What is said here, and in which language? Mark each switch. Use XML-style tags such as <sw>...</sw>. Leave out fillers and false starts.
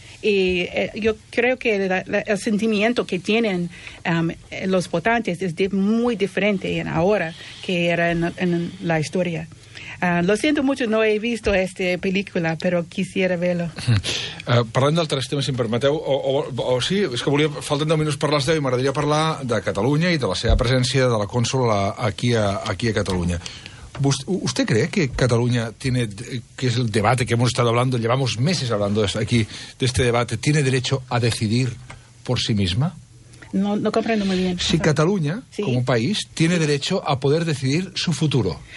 <es>Y yo creo que el sentimiento que tienen los votantes es muy diferente ahora que era en la historia. Lo siento mucho, no he visto esta película, pero quisiera verlo.</es> <ca>Parlant d'altres temes, si em permeteu, és que volia, falten 10 minuts per les 10 i m'agradaria parlar de Catalunya i de la seva presència de la cònsola aquí a Catalunya.</ca> <es>¿Usted cree que Cataluña tiene, que es el debate que hemos estado hablando, llevamos meses hablando aquí de este debate, tiene derecho a decidir por sí misma? No comprendo muy bien. Si Cataluña, como país, tiene derecho a poder decidir su futuro.</es>